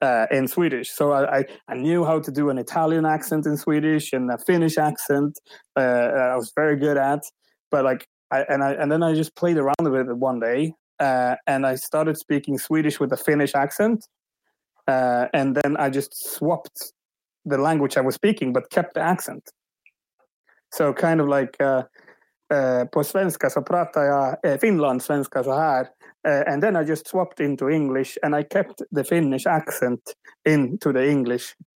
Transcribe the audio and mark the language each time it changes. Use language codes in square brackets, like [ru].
[en] In Swedish, so I knew how to do an Italian accent in Swedish and a Finnish accent. I was very good at, but like I just played around with it one day, and I started speaking Swedish with a Finnish accent, and then I just swapped the language I was speaking but kept the accent. So kind of like [sv] på svenska så pratar jag Finland svenska så här. [en] And then I just swapped into English and I kept the Finnish accent into the English.